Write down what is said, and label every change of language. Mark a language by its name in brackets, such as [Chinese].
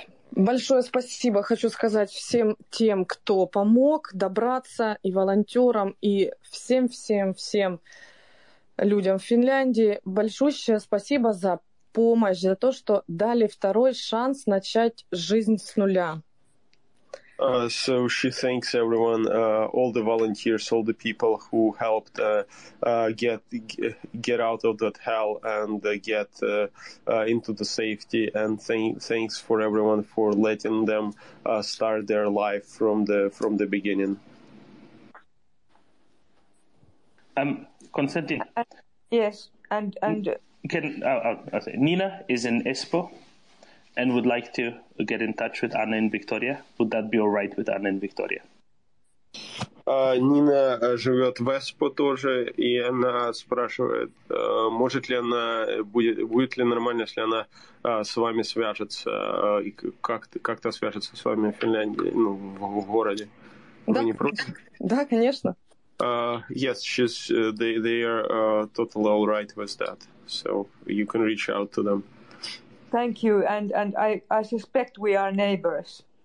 [Russian] Большое спасибо хочу сказать всем тем, кто помог добраться, и волонтерам, и всем-всем-всем людям в Финляндии. Большое спасибо за помощь, за то, что дали второй шанс начать жизнь с нуля. [English] So she thanks everyone, all the volunteers, all the people who helped get out of that hell and get into the safety. And thanks for everyone for letting them start their life from the beginning. Konstantin. Yes, and can I say Nina is in ESPO and would like to get in touch with Anna and Victoria. Would that be all right with Anna and Victoria? [Russian] Нина живет в ЭСПО тоже, и она спрашивает, может ли она, будет ли нормально, если она с вами свяжется, и как-то свяжется с вами в Финляндии, ну, в городе. Да. Вы не против? Да, конечно. [English] Yes, she's, they are totally all right with that. So you can reach out to them. Thank you, and I suspect we are neighbors.